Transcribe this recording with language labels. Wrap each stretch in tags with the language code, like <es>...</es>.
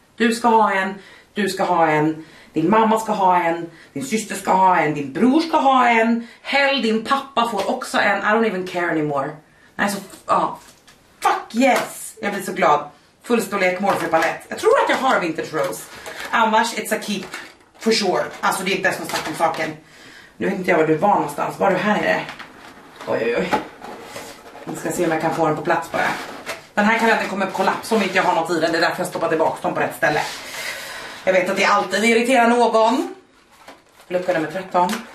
<sv>Du ska ha en, du ska ha en, din mamma ska ha en, din syster ska ha en, din bror ska ha en.</sv> <en>Hell,</en> <sv>din pappa får också en,</sv> <en>I don't even care anymore.</en> <sv>Nej så,</sv> <en>fuck yes,</en> <sv>jag blir så glad. Fullstorlek morfipalett, jag tror att jag har vintage rose. Annars,</sv> <en>it's a keep, for sure.</en> <sv>Alltså det är inte ens något snack om saken. Nu vet inte jag var du var någonstans, var du här är det? Oj oj oj. Vi ska se om jag kan få den på plats bara. Den här kalendern kommer kollapsa om inte jag har något i den, det är därför jag stoppar tillbaka dem på rätt ställe. Jag vet att det alltid irriterar någon. Lucka nummer 13.</sv>